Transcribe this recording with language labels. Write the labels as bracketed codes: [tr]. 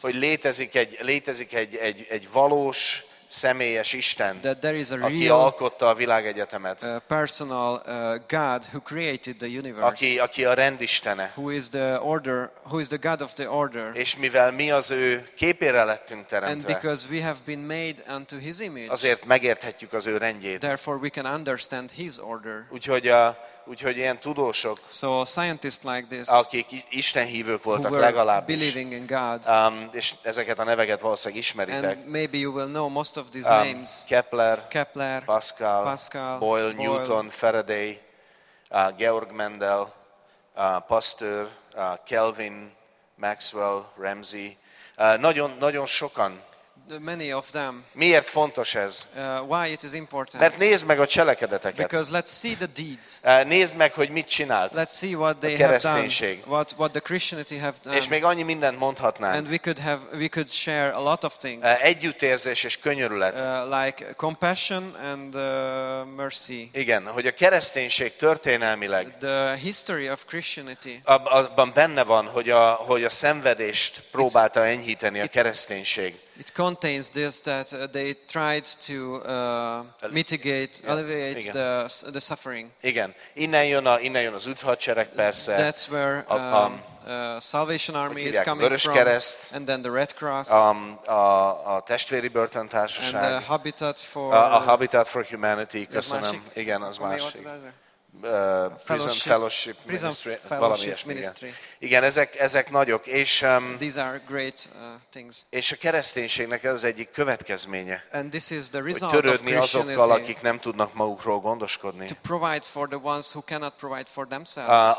[hu] hogy létezik egy valós, személyes Isten, [en] that there is a [hu] aki [en] real, [hu] alkotta a világegyetemet, [en] personal God who created the universe, [hu] aki a rendistene, [en] who is the order, who is the God of the order, [hu] és mivel mi az ő képére lettünk teremtve, [en] and because we have been made unto his image, [hu] azért megérthetjük az ő rendjét, [en] therefore we can understand his order. [hu] Úgyhogy ilyen tudósok, [en] so scientists like this, [hu] akik Isten hívők voltak legalábbis, [en] believing in God, [hu] és ezeket a neveket valószínűleg ismeritek. [en] And maybe you will know most of these names. [hu] Kepler, Pascal, Boyle, Newton, Faraday, Georg Mendel, Pasteur, Kelvin, Maxwell, Ramsey. Nagyon sokan. [en] Many of them. [hu] Miért fontos ez? [en] Why it is important? [hu] Mert nézd meg a cselekedeteket. [en] Because let's see the deeds. [hu] Nézd meg, hogy mit csinált. [en] Let's see what they [hu] a kereszténység. [en] Have done. What the Christianity have done. [hu] És még annyi mindent mondhatnánk. [en] And we could share a lot of things. [hu] Együttérzés és könyörület. [en] Like compassion and mercy. [hu] Igen, hogy a kereszténység történelmileg. [en] The history of Christianity. [hu] Abban benne van, hogy a szenvedést próbálta enyhíteni a kereszténység. [en] It contains this that they tried to mitigate, alleviate the suffering. [hu] Igen. Innen jön az üdvhadsereg, persze. [en] That's where Salvation Army is coming [hu] Vörös [en] from. [hu] Kereszt, [en] and then the Red Cross. [hu] A testvéri börtöntársaság. [en] And the Habitat for Habitat for Humanity. [hu] Köszönöm. Igen, az másik. [en] Prison Fellowship Ministry. [hu] Igen, ezek nagyok, és [en] these are great things. [hu] És a kereszténységnek ez az egyik következménye. [en] And this is the result [hu] hogy törődni azokkal, akik nem tudnak magukról gondoskodni. [en] To provide for the ones who cannot provide for themselves.